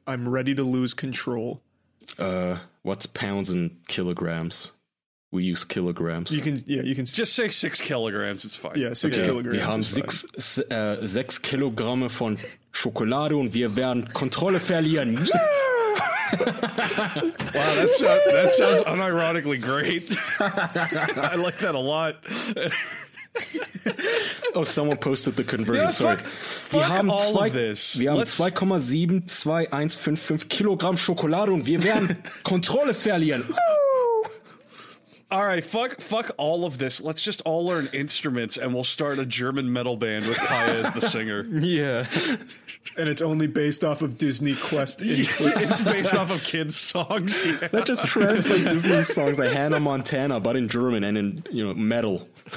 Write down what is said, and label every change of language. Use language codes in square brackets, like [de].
[en] I'm ready to lose control. What's pounds and kilograms? We use kilograms. You can just say 6 kilograms. It's fine. Yeah, six kilograms. We have [de] 6 kilogramm von Schokolade und wir werden Kontrolle verlieren. [en] Yeah! Wow, that sounds unironically great. I like that a lot. Oh, someone posted the conversion. Yeah, sorry. [de] Wir haben 2,72155 kilogramm Schokolade und wir werden Kontrolle verlieren. [en] All right, fuck all of this. Let's just all learn instruments and we'll start a German metal band with Kaya as the singer. Yeah. And it's only based off of Disney Quest inputs. It's based off of kids' songs. Yeah. That just translates Disney songs like Hannah Montana, but in German and in, you know, metal.